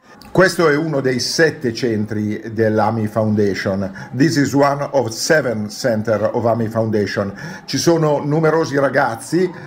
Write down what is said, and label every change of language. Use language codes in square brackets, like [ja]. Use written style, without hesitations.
[it] Questo è uno dei 7 centri dell'AMI Foundation. [en] This is one of 7 centers of AMI Foundation. [it] Ci sono numerosi ragazzi.